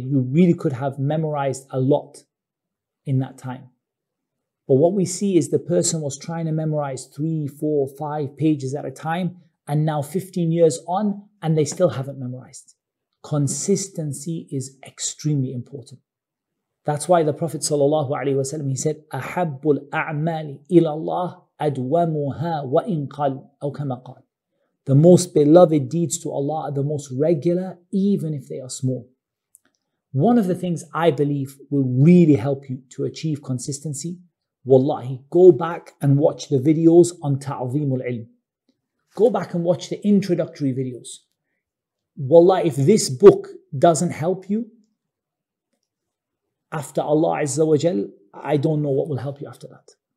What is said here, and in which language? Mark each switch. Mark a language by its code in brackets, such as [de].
[en] You really could have memorized a lot in that time. But what we see is the person was trying to memorize 3, 4, 5 pages at a time, and now 15 years on, and they still haven't memorized. Consistency is extremely important. That's why the Prophet sallallahu alaihi wasallam, he said, [ar] أَحَبُّ الْأَعْمَالِ إِلَى اللَّهِ أَدْوَمُهَا وَإِنْ قَلْ أَوْ كَمَا قَالْ. [en] The most beloved deeds to Allah are the most regular, even if they are small. One of the things I believe will really help you to achieve consistency, wallahi, go back and watch the videos on ta'zeem al-ilm. Go back and watch the introductory videos. Wallahi, if this book doesn't help you, after Allah Azza wa Jal, I don't know what will help you after that.